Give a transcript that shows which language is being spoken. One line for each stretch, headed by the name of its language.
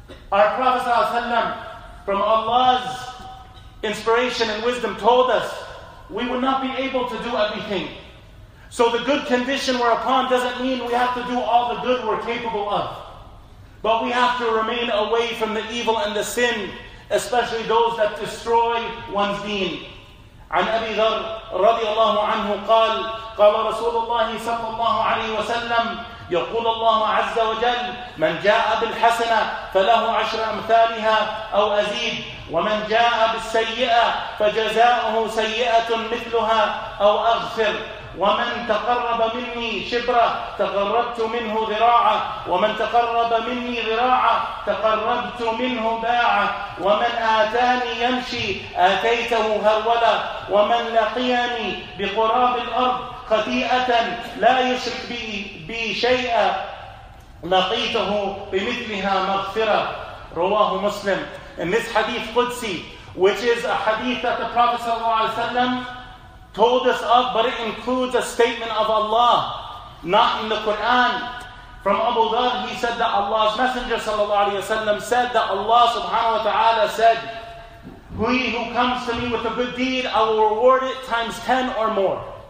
English: Our Prophet ﷺ, from Allah's inspiration and wisdom, told us, we will not be able to do everything. So the good condition we're upon doesn't mean we have to do all the good we're capable of. But we have to remain away from the evil and the sin, especially those that destroy one's deen.
Arabic: عن أبي ذر رضي الله عنه قال قال رسول الله صلى الله عليه وسلم يقول الله عز وجل من جاء بالحسنة فله عشر أمثالها أو أزيد ومن جاء بالسيئة فجزاؤه سيئة مثلها أو أغفر ومن تقرب مني شبرا تقربت منه ذراعا ومن تقرب مني ذراعا تقربت منه باعا ومن آتاني يمشي آتيته هرولا ومن لقيني بقراب الأرض خطيئة لا يشرك بي شيئا لقيته بمثلها مغفرة رواه مسلم.
English: In this hadith Qudsi, which is a hadith that the Prophet ﷺ told us of, but it includes a statement of Allah, not in the Quran. From Abu Dharr, he said that Allah's Messenger ﷺ said that Allah subhanahu wa ta'ala said, "He who comes to me with a good deed, I will reward it times 10 or more."